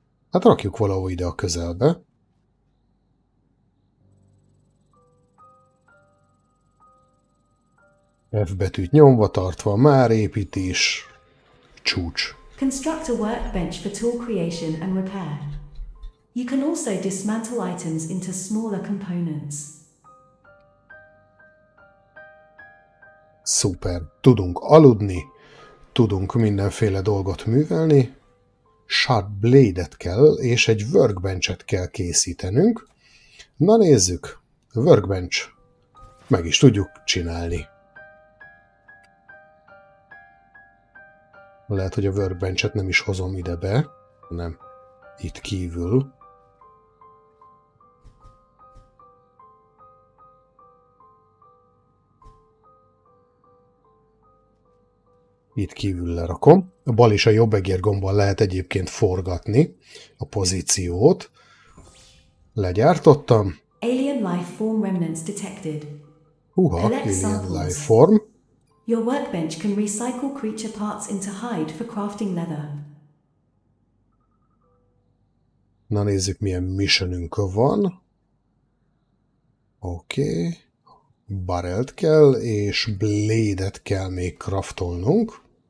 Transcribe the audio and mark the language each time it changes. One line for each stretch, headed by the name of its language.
Hungarian: Hát rakjuk valahol ide a közelbe. F betűt nyomva tartva, már építés. Csúcs.
English: Construct a workbench for tool creation and repair. You can also dismantle items into smaller components.
Hungarian: Szuper. Tudunk aludni, tudunk mindenféle dolgot művelni. Sharp blade-et kell, és egy workbench-et kell készítenünk. Na nézzük, workbench. Meg is tudjuk csinálni. Lehet, hogy a workbench-et nem is hozom ide be, hanem itt kívül. Itt kívül lerakom. A bal és a jobb egér gombbal lehet egyébként forgatni a pozíciót. Legyártottam.
English: Alien life form remnants detected. Húha, alien life form. Your workbench can recycle creature parts into hide for crafting leather.
Hungarian: Na nézzük, milyen missionünk van. Oké. Okay. Barrelt kell, és blade-et kell még craftolnunk.